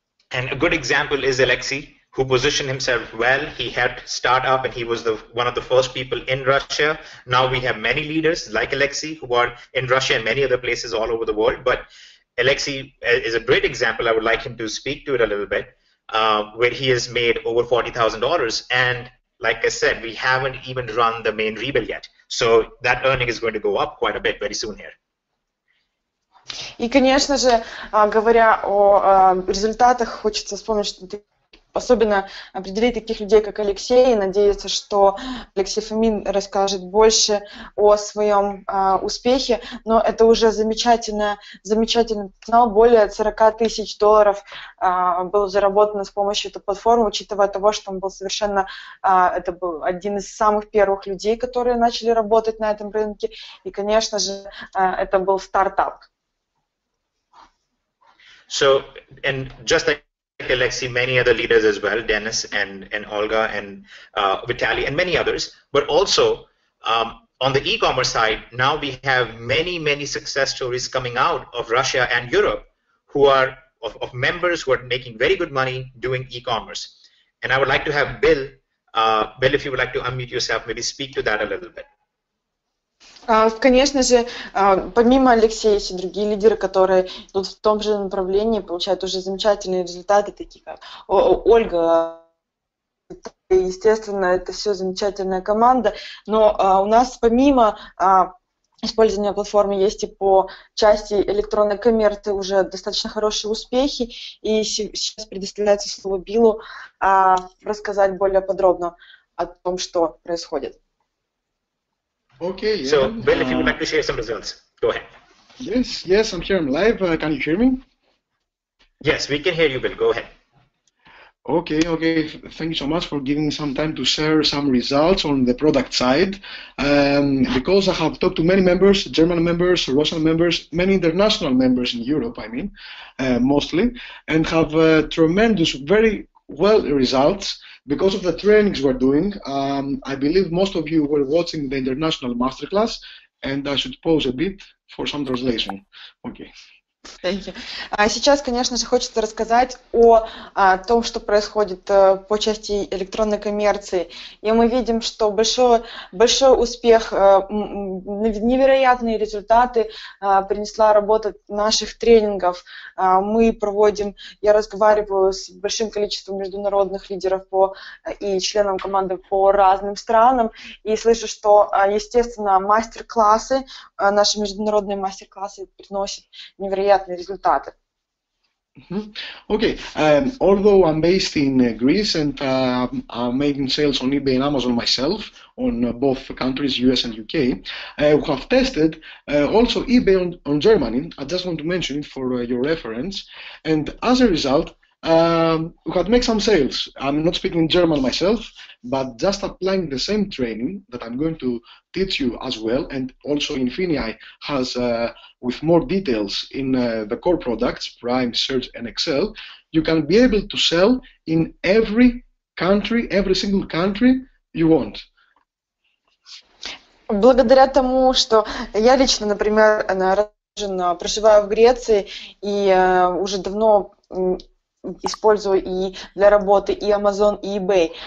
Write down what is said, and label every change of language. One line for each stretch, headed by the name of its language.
English: And a good example is Alexey, who positioned himself well. He helped start up, and he was the one of the first people in Russia. Now we have many leaders like Alexei who are in Russia and many other places all over the world. But Alexei is a great example. I would like him to speak to it a little bit, where he has made over $40,000. And like I said, we haven't even run the main rebuild yet. So that earning is going to go up quite a bit very soon here.
Russian: И, конечно же, говоря о результатах, хочется вспомнить, что ты особенно определить таких людей, как Алексей, и надеяться, что Алексей Фомин расскажет больше о своем успехе. Но это уже замечательный сигнал. Более 40 тысяч долларов было заработано с помощью этой платформы, учитывая того, что он был совершенно... Это был один из самых первых людей, которые начали работать на этом рынке. И, конечно же, это был стартап.
English: So, and just like Alexei, many other leaders as well, Dennis and Olga and Vitaly and many others, but also on the e-commerce side, now we have many, many success stories coming out of Russia and Europe who are of members who are making very good money doing e-commerce. And I would like to have Bill, Bill, if you would like to unmute yourself, maybe speak to that a little bit.
Russian: Конечно же, помимо Алексея, есть и другие лидеры, которые идут в том же направлении, получают уже замечательные результаты, такие как Ольга, естественно, это все замечательная команда, но у нас помимо использования платформы есть и по части электронной коммерции уже достаточно хорошие успехи, и сейчас предоставляется слово Биллу рассказать более подробно о том, что происходит.
English: Okay. Yeah. So, Bill, if you would like to share some results, go ahead. Yes, I'm here. I'm live. Can you hear me? Yes, we can hear you, Bill. Go ahead. Okay. Thank you so much for giving me some time to share some results on the product side. Because I have talked to many members, German members, Russian members, many international members in Europe, I mean, mostly, and have tremendous, very well results. Because of the trainings we're doing, I believe most of you were watching the international masterclass, and I should pause a bit for some translation. Okay. Thank you.
Russian: Сейчас, конечно же, хочется рассказать о том, что происходит по части электронной коммерции. И мы видим, что большой успех, невероятные результаты принесла работа наших тренингов. Мы проводим, я разговариваю с большим количеством международных лидеров и членов команды по разным странам, и слышу, что, естественно, мастер-классы, наши международные мастер-классы приносят невероятные результаты.
English: Mm-hmm. Okay. Although I'm based in Greece and I'm making sales on eBay and Amazon myself, on both countries, US and UK, we have tested also eBay on Germany. I just want to mention it for your reference. And as a result, we had made some sales. I'm not speaking German myself, but just applying the same training that I'm going to teach you as well, and also Infinii has with more details in the core products, Prime, Search and Excel, you can be able to sell in every country, every single country you want.
Russian: Благодаря тому, что я лично, например, проживаю в Греции и уже давно использую и для работы и Amazon, и eBay.